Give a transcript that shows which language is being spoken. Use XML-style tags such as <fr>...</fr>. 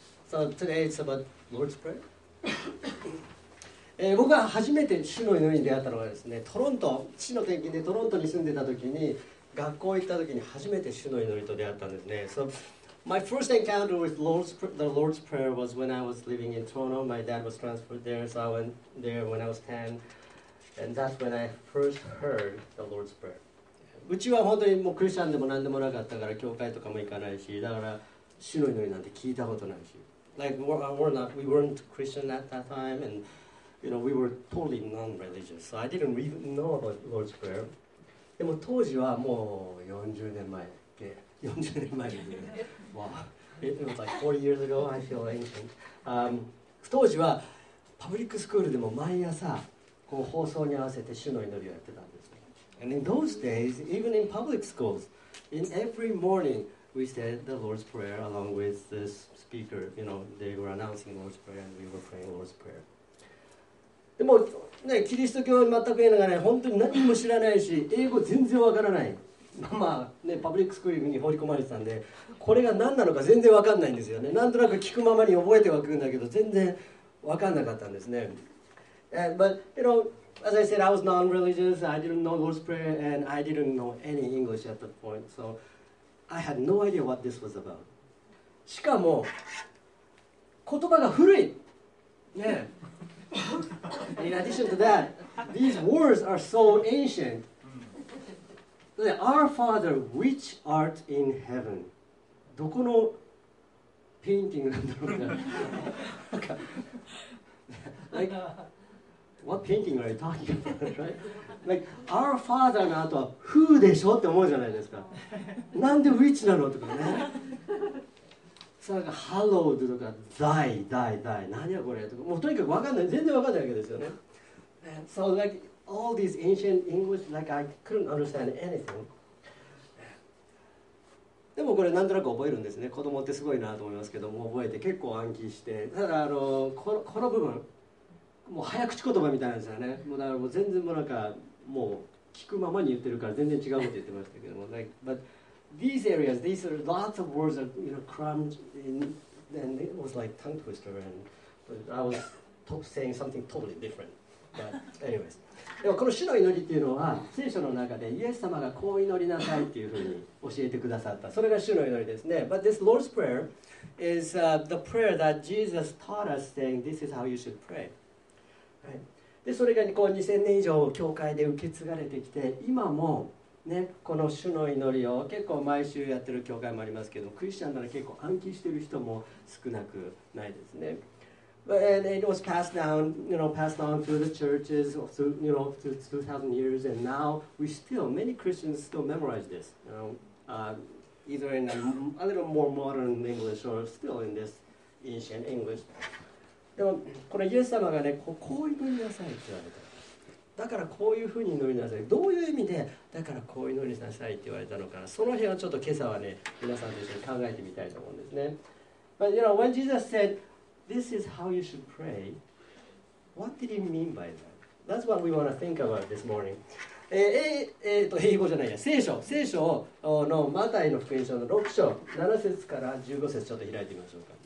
<en>So today it's about Lord's Prayer.</en> <ja>僕が初めて主の祈りに出会ったのはですね、トロント、父の転勤でトロントに住んでた時に、学校行った時に初めて主の祈りと出会ったんですね。</ja> <en>So my first encounter with the Lord's Prayer was when I was living in Toronto. My dad was transferred there, so I went there when I was 10. And that's when I first heard the Lord's Prayer.</en> <ja>うちは本当にもうクリスチャンでも何でもなかったから教会とかも行かないし、だから主の祈りなんて聞いたことないし。</ja> <en>Like we weren't Christian at that time, and you know we were totally non-religious. So I didn't even know about the Lord's Prayer.</en> <ja>でも当時はもう40年前ですね。</ja> <en>Wow, it was like 40 years ago. I feel ancient.</en> <ja>当時はパブリックスクールでも毎朝こう放送に合わせて主の祈りをやってたんです。</ja> <en>And in those days, even in public schools, in every morning we said the Lord's Prayer along with this speaker. You know, they were announcing Lord's Prayer and we were praying Lord's Prayer.</en> <ja>でもね、キリスト教に全く言えながら、ね、本当に何も知らないし、英語全然わからない。まあね、パブリックスクールに放り込まれてたんで、これが何なのか全然わかんないんですよね。なんとなく聞くままに覚えてはくるんだけど、全然わかんなかったんですね。</ja> <en>But you know, as I said, I was non-religious. I didn't know Lord's Prayer, and I didn't know any English at that point. So I had no idea what this was about.</en> <ja>しかも言葉が古い。ね。</ja> <en>In addition to that, these words are so ancient. Our Father, which art in heaven.</en> <ja>どこのペインティングなんだろうな。</ja> <en>What painting are you talking about, right? Like, our father</en> <ja>の後は</ja> <en>who</en> <ja>でしょって思うじゃないですか。なんで which なのとかね。さあ、hallowed とか thy, thy, thy, 何やこれとか、もうとにかく分かんない、全然分かんないわけですよね。</ja> <en>So like, all these ancient English, like I couldn't understand anything.</en> <ja>でもこれなんとなく覚えるんですね。子供ってすごいなと思いますけども、覚えて結構暗記して、ただこの部分、もう早口言葉みたいなんですよね。もうだからもう全然もうなんかもう聞くままに言ってるから全然違うこと言ってましたけども、like,</ja> <en>but these areas, these are lots of words are, you know, crammed in, and it was like tongue twister, and but I was saying something totally different. But anyways,</en> <ja>でもこの主の祈りっていうのは聖書の中でイエス様がこう祈りなさいっていうふうに教えてくださった。それが主の祈りですね。</ja> <en>But this Lord's Prayer is the prayer that Jesus taught us, saying this is how you should pray.</en> <ja>でそれがこう2000年以上教会で受け継がれてきて、今も、ね、この主の祈りを結構毎週やってる教会もありますけど、クリスチャンなら結構暗記してる人も少なくないですね。</ja> <en>And it was passed down, you know, passed on through the churches through, you know, through 2000 years, and now we still, many Christians still memorize this, you know, either in a little more modern English or still in this ancient English.</en> <ja>でもこれイエス様がね、こういう祈りなさいって言われた。だからこういうふうに祈りなさい。どういう意味でだからこういう祈りなさいって言われたのか。その辺をちょっと今朝はね、皆さんと一緒に考えてみたいと思うんですね。</ja> <en>But you know, when Jesus said, this is how you should pray, what did he mean by that? That's what we want to think about this morning.</en> <ja>英語じゃないや、聖書のマタイの福音書の6章、7節から15節ちょっと開いてみましょうか。</ja>